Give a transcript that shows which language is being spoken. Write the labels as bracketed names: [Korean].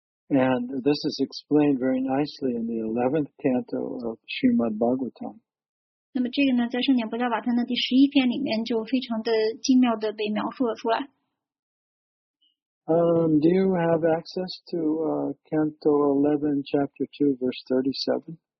[English] And this is explained very nicely in the 11th canto of Srimad Bhagavatam. [Chinese] 那么这个呢，在圣典波迦瓦坦的第十一篇里面就非常的精妙的被描述了出来。 [English] Do you have access to Canto 11, Chapter 2, Verse 37?